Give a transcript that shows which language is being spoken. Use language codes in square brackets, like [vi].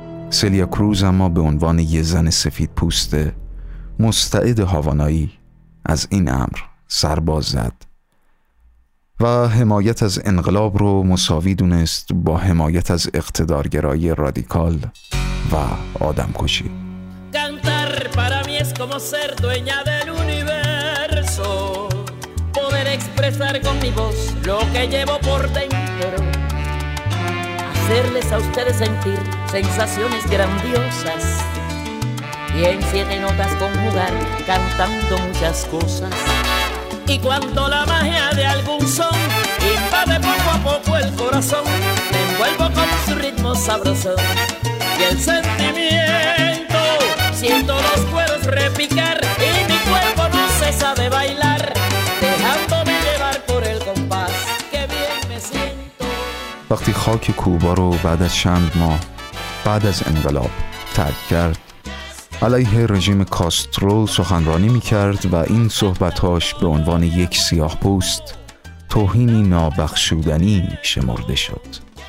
[fa] سلیا کروز اما به عنوان یه زن سفید پوست مستعد هاوانایی از این امر سرباز زد و حمایت از انقلاب رو مساوی دونست با حمایت از اقتدارگرایی رادیکال و آدم کشی. [es] Cantar para mí es como ser dueña del universo, poder expresar con mi voz lo que llevo por dentro, hacerles a ustedes sentir sensaciones grandiosas y en siete notas conjugar cantando muchas cosas. Y cuando la magia de algún son invade poco a poco el corazón, me envuelvo con su ritmo sabroso y el sentimiento. Siento los cueros repicar y mi cuerpo no cesa de bailar, dejándome llevar por el compás. Qué bien me siento. [fa] وقتی خاک کوبا رو بعد از چند ماه بعد از انقلاب ترک کرد، علیه رژیم کاسترو سخنرانی میکرد و این صحبتاش به عنوان یک سیاه پوست توهینی نابخشودنی شمرده شد.